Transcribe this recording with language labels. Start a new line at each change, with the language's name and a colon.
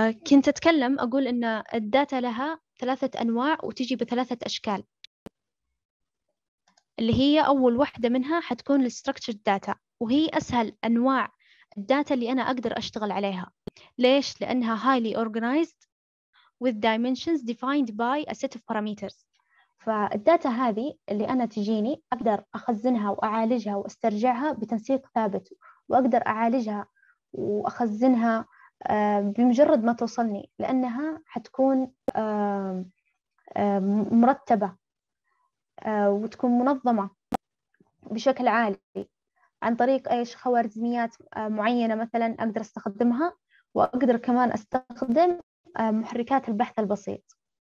Arabic: كنت أتكلم أقول إن الداتا لها ثلاثة أنواع وتجي بثلاثة أشكال, اللي هي أول واحدة منها حتكون الستركتشرد داتا, وهي أسهل أنواع الداتا اللي أنا أقدر أشتغل عليها. ليش؟ لأنها
English: highly organized with dimensions defined by a set of parameters.
Arabic: فالداتا هذه اللي أنا تجيني أقدر أخزنها وأعالجها وأسترجعها بتنسيق ثابت, وأقدر أعالجها وأخزنها بمجرد ما توصلني, لأنها حتكون مرتبة وتكون منظمة بشكل عالي عن طريق إيش, خوارزميات معينة مثلا أقدر أستخدمها, وأقدر كمان أستخدم محركات البحث البسيط.